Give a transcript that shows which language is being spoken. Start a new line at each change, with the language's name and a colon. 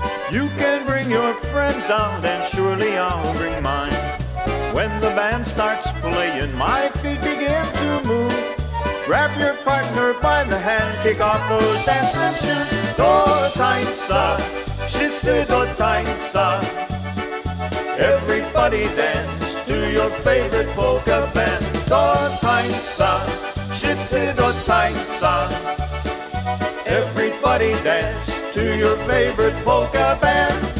English: You can bring your friends out and surely I'll bring mine. When the band starts playing, my feet begin to move. Grab your partner by the hand, kick off those dancing shoes.
Polish: Do tańca, wszyscy do tańca.
English: Everybody dance to your favorite polka band.
Polish: Do tańca, wszyscy do tańca.
English: Everybody dance to your favorite polka band.